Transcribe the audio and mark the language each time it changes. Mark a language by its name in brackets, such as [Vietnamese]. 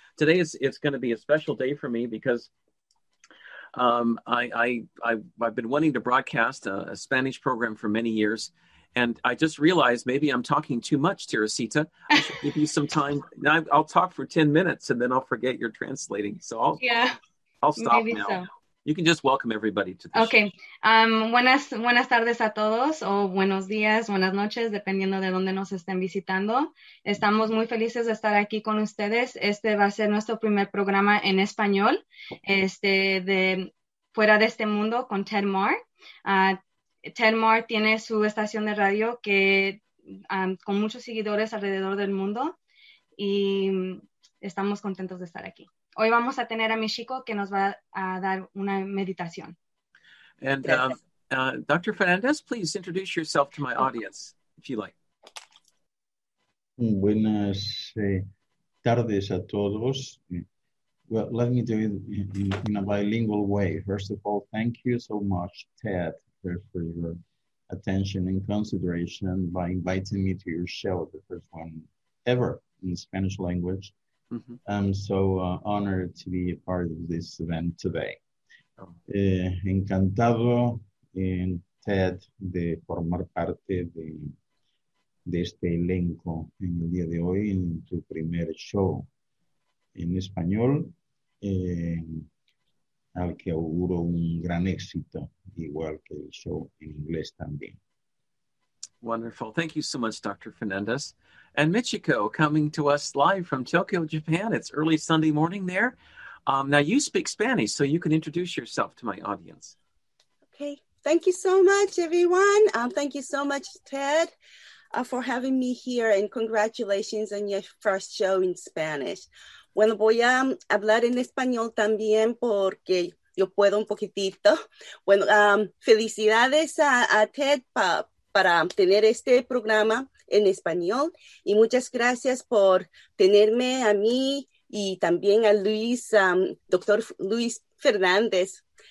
[English] Today it's going to be a special day for me because I've been wanting to broadcast a Spanish program for many years. And I just realized maybe I'm talking too much, Teresita. I should give you some time. Now I'll talk for 10 minutes and then I'll forget you're translating. So I'll stop maybe now. So. You can just welcome everybody to this. Okay. Show. [Spanish] Buenas tardes a todos, o buenos días, buenas noches, dependiendo de dónde nos estén visitando. Estamos muy felices de estar aquí con ustedes. Este va a ser nuestro primer programa en español, de fuera de este mundo con Ted Marr. Ted Marr tiene su estación de radio que con muchos seguidores alrededor del mundo y estamos contentos de estar aquí. Hoy vamos a tener a Michiko que nos va a dar una meditación. [English] And Dr. Fernandez, please introduce yourself to my audience, if you like. [Spanish] Buenas tardes a todos. [English] Well, let me do it in a bilingual way. First of all, thank you so much, Ted, for your attention and consideration by inviting me to your show, the first one ever in Spanish language. Mm-hmm. I'm so honored to be a part of this event today. [Spanish] Encantado, Ted, de formar parte de este elenco en el día de hoy, en tu primer show en español, al que auguro un gran éxito, igual que el show en inglés también. [English] Wonderful. Thank you so much, Dr. Fernandez. And Michiko, coming to us live from Tokyo, Japan. It's early Sunday morning there. Now, you speak Spanish, so you can introduce yourself to my audience. Okay. Thank you so much, everyone. Thank you so much, Ted, for having me here, and congratulations on your first show in Spanish. [Spanish] Bueno, voy a hablar en español también porque yo puedo un poquitito. Bueno, felicidades a Ted para tener este programa en español. Y muchas gracias por tenerme a mí y también a Luis, doctor Luis Fernández.